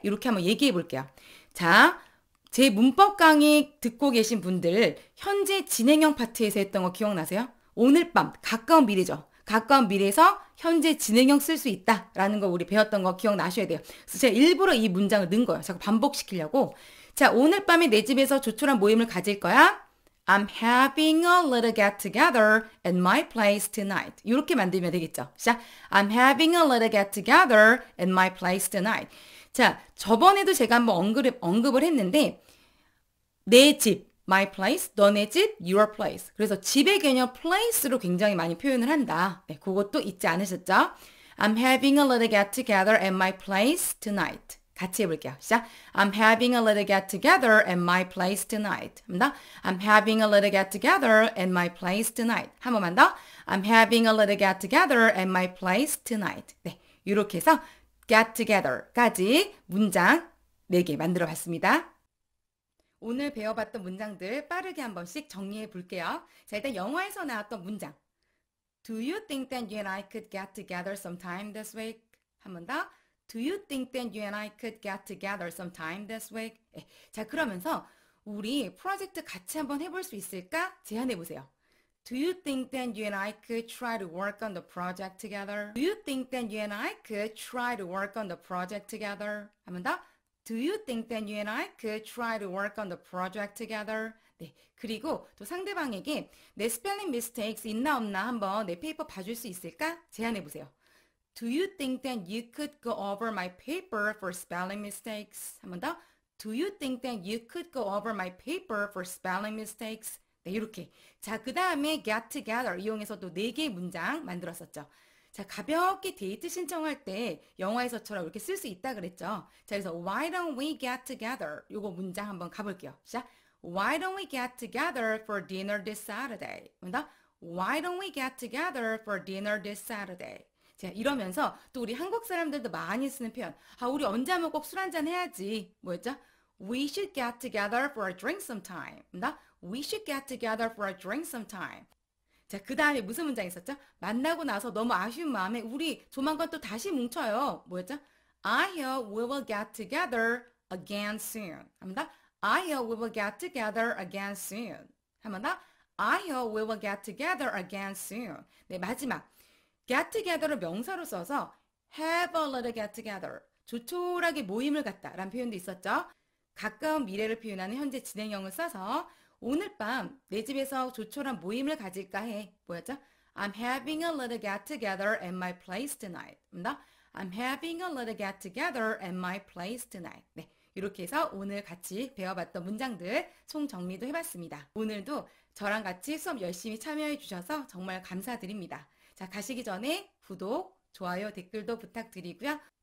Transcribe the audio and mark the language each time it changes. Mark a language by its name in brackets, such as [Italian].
[Korean] 이렇게 한번 얘기해 볼게요. 자, 제 문법 강의 듣고 계신 분들 현재 진행형 파트에서 했던 거 기억나세요? 오늘 밤 가까운 미래죠. 가까운 미래에서 현재 진행형 쓸 수 있다라는 거 우리 배웠던 거 기억나셔야 돼요. 그래서 제가 일부러 이 문장을 넣은 거예요. 자꾸 반복시키려고. 자, 오늘 밤에 내 집에서 조촐한 모임을 가질 거야. [English] I'm having a little get together at my place tonight. [Korean] 이렇게 만들면 되겠죠. [English] 자, I'm having a little get together at my place tonight. [Korean] 자, 저번에도 제가 한번 언급을 했는데 내 집, my place, 너네 집, your place. 그래서 집의 개념 place로 굉장히 많이 표현을 한다. 네, 그것도 잊지 않으셨죠? [English] I'm having a little get together at my place tonight. [Korean] 같이 해볼게요. 시작. [English] I'm having a little get together at my place tonight. [Korean] 합니다. [English] I'm having a little get together at my place tonight. [Korean] 한 번만 더. [English] I'm having a little get together at my place tonight. [Korean] 네, 이렇게 해서 get together까지 문장 4개 만들어 봤습니다. 오늘 배워봤던 문장들 빠르게 한 번씩 정리해 볼게요. 자, 일단 영화에서 나왔던 문장. [English] Do you think that you and I could get together sometime this week? [Korean] 한 번 더. [English] Do you think that you and I could get together sometime this week? [Korean] 네. 자, 그러면서 우리 프로젝트 같이 한번 해볼 수 있을까? 제안해 보세요. [English] Do you think that you and I could try to work on the project together? Do you think that you and I could try to work on the project together? [Korean] 한 번 더. [English] Do you think that you and I could try to work on the project together? [Korean] 네. 그리고 또 상대방에게 내 spelling mistakes 있나 없나 한번 내 페이퍼 봐줄 수 있을까? 제안해 보세요. [English] Do you think that you could go over my paper for spelling mistakes? [Korean] 한 번 더. [English] Do you think that you could go over my paper for spelling mistakes? [Korean] 네, 이렇게. 자, 그 다음에 get together 이용해서 또 네 개의 문장 만들었었죠. 자, 가볍게 데이트 신청할 때 영화에서처럼 이렇게 쓸 수 있다 그랬죠. [English] 자, 그래서 why don't we get together? [Korean] 요거 문장 한번 가볼게요. 시작. [English] Why don't we get together for dinner this Saturday? [Korean] 한 번 더. [English] Why don't we get together for dinner this Saturday? [Korean] 자, 이러면서 또 우리 한국 사람들도 많이 쓰는 표현. 아, 우리 언제 한번 꼭 술 한잔 해야지. 뭐였죠? [English] We should get together for a drink sometime. [Korean] 맞나? [English] We should get together for a drink sometime. [Korean] 자, 그 다음에 무슨 문장 있었죠? 만나고 나서 너무 아쉬운 마음에 우리 조만간 또 다시 뭉쳐요. 뭐였죠? [English] I hope we will get together again soon. [Korean] 하면 나 [English] I hope we will get together again soon. [Korean] 하면 나 [English] I hope we will get together again soon. [Korean] 네, 마지막. [English] get together [Korean] 를 명사로 써서 [English] have a little get together. [Korean] 조촐하게 모임을 갖다 라는 표현도 있었죠. 가까운 미래를 표현하는 현재 진행형을 써서 오늘 밤 내 집에서 조촐한 모임을 가질까 해. 뭐였죠? [English] I'm having a little get together at my place tonight. [Korean] 합니다. [English] I'm having a little get together at my place tonight. [Korean] 네. 이렇게 해서 오늘 같이 배워봤던 문장들 총정리도 해봤습니다. 오늘도 저랑 같이 수업 열심히 참여해 주셔서 정말 감사드립니다. 자, 가시기 전에 구독, 좋아요, 댓글도 부탁드리고요.